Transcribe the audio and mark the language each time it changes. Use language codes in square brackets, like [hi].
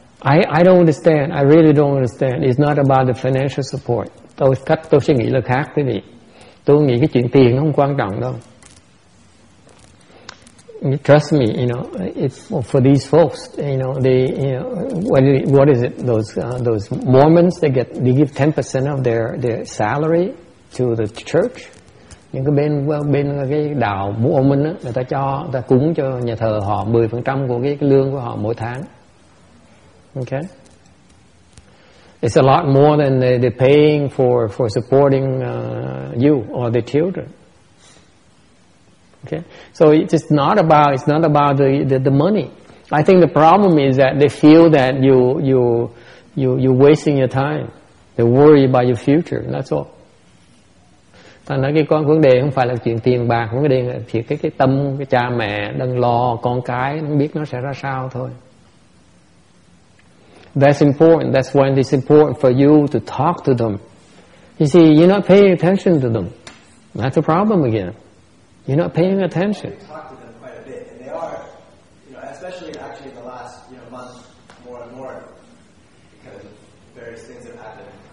[en] I don't understand. I really don't understand. It's not about the financial support. [vi] Tôi suy nghĩ là khác, quý vị. Tôi nghĩ cái chuyện tiền nó không quan trọng đâu. [en] Trust me, you know, it's for these folks, you know, they, you know, what is it? Those Mormons, they give 10% of their salary to the church. [vi] Những cái bên cái đạo Mormon, người ta cho, người ta cúng cho nhà thờ họ 10% của cái lương của họ mỗi tháng. [en] Okay. It's a lot more than they're paying for supporting you or the children. Okay, so it's not about the money. I think the problem is that they feel that you're wasting your time. They worry about your future. That's all. [vi] Thành ra cái con vấn đề không phải là chuyện tiền bạc, vấn đề là cái tâm cái cha mẹ đang lo con cái, không biết nó sẽ ra sao thôi. [en] That's important. That's why it's important for you to talk to them. You see, you're not paying attention to them. That's a problem again. You're not paying attention. We talk to them quite a bit, and they are, you know, especially actually in the last, you know, month, more and more, because of various things that happened.